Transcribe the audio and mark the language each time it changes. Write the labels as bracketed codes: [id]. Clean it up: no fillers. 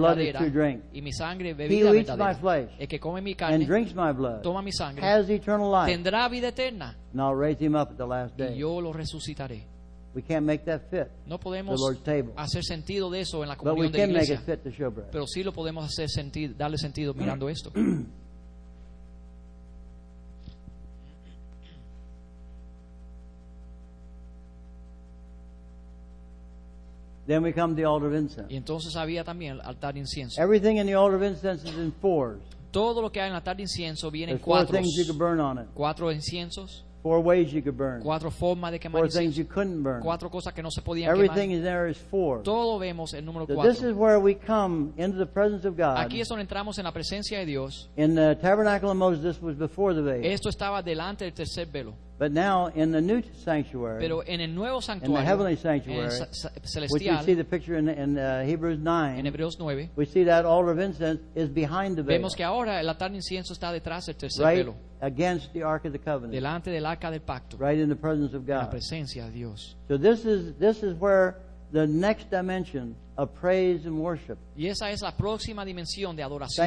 [en] and my blood is true drink. [es] Y mi sangre, bebida [en] he who [es] verdadera, [en] eats my flesh [es] el que come mi carne, [en] and drinks my blood [es] toma mi sangre, [en] has eternal life. [es] Tendrá vida eterna, [en] and I'll raise him up at the last day. [es] Y yo lo resucitaré. [en] We can't make that fit [es] no podemos [en] the Lord's table. [es] Hacer sentido de eso en la comunión de iglesia. [en] But we can make it fit the showbread. [es] Pero sí lo podemos hacer sentido, darle sentido mirando esto. [en] Then we come to the altar of incense. [es] Y entonces había también el altar de incienso. [en] Everything in the altar of incense is in fours. [es] Todo lo que hay en el altar de incienso viene [en] There's [es] en cuatro. [en] Four things you could burn on it. [es] Cuatro inciensos. [en] Four ways you could burn. [es] Cuatro formas de quemar [en] four [es] incienso. [en] Four things you couldn't burn. [es] Cuatro cosas que no se podían [en] Everything Everything is there is four. [es] Todo vemos el número [en] so [es] cuatro. [en] This is where we come into the presence of God. [es] Aquí es donde entramos en la presencia de Dios. [en] In the tabernacle of Moses, this was before the veil. [es] Esto estaba delante del tercer velo. [en] But now in the new sanctuary, [es] pero en el nuevo sanctuario, [en] in the heavenly sanctuary, [es] celestial, [en] which you see the picture in Hebrews 9, [es] en Hebreos 9, [en] we see that altar of incense is behind the veil. [es] Vemos que ahora el altar de incienso está detrás del tercer [en] right [es] velo, [en] against the Ark of the Covenant, [es] delante del arca del pacto, [en] right in the presence of God. [es] En la presencia de Dios. [en] So this is where the next dimension of praise and worship. [es] Y esa es la próxima dimensión de adoración.